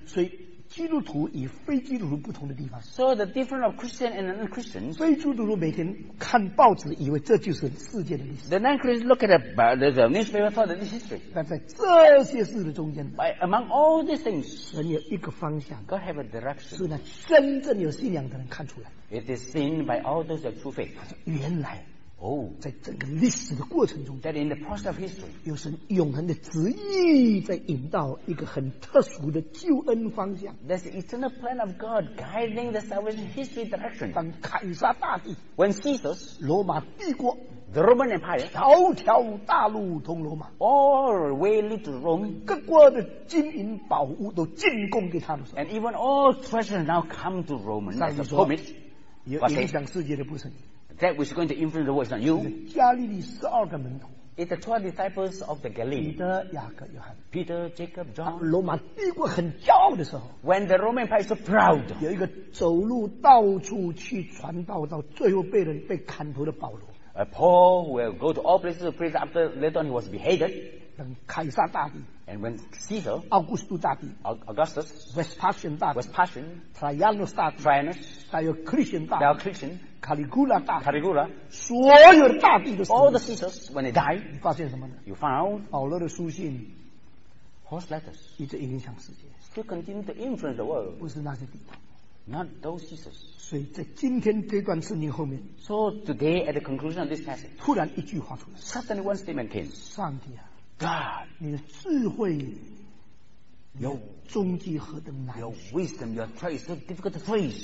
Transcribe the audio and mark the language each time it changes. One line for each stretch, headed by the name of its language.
Chinese: 所以基督徒与非基督徒不同的地方。
English: So the difference of Christian and non-Christian.
Chinese: 非基督徒每天看报纸，以为这就是世界的历史。
English: The non-Christian look at the newspaper, thought this is history.
Chinese: 但在这些事的中间
English: ，By among all these things,
Chinese: 神有一个方向。
English: God have a direction.
Chinese: 是那真正有信仰的人看出来。
English: It is seen by all those of true faith.
Chinese: 原来。
English: Oh,
Chinese: 在整个历史的过程中
English: that in the process of history,
Chinese: 有神永恒的旨意在引导一个很特殊的救恩方向
English: that's the eternal plan of God guiding the salvation history direction
Chinese: 当凯撒大帝
English: when Caesar
Chinese: 罗马帝国
English: the Roman Empire
Chinese: 条条大路通罗马
English: all way lead to Rome
Chinese: 各国的金银宝物都进贡给他的时候
English: and even all treasures now come to Rome as a homage
Chinese: 有影响世界的不是你
English: That which is going to influence the world is not you.
Chinese: 加利利十二个门徒
English: It's the 12 disciples of the Galilee.
Chinese: Peter, 雅各、约翰
English: Peter, Jacob, John.
Chinese: 罗马帝国很骄傲的时候
English: When the Roman Empire is so proud.
Chinese: 有一个走路到处去传道到最后被人被砍头的保罗
English: Paul will go to all places to preach after later on he was beheaded.
Chinese: 等凯撒大帝
English: And when Caesar,
Chinese: Augustus 大帝
English: Augustus,
Chinese: Vespasian 大帝
English: Vespasian,
Chinese: Trajanus 大帝
English: Trajanus,
Chinese: 还有 Christian 大帝
English: Now Christian,
Chinese: Caligula 大帝
English: Caligula
Chinese: 所有的大帝都死
English: All the Caesars when they die
Chinese: 你发现什么呢
English: You found
Chinese: 保罗的书信
English: Paul's letters
Chinese: 一直影响世界
English: Still continue to influence the world
Chinese: 不是那些地方
English: Not those Caesars
Chinese: 所以在今天这段圣经后面
English: So today at the conclusion of this passage
Chinese: 突然一句话出来
English: Suddenly one statement came
Chinese: 上帝啊
English: God
Chinese: 你的智慧有终极何等难
English: Your wisdom Your trust is so difficult to face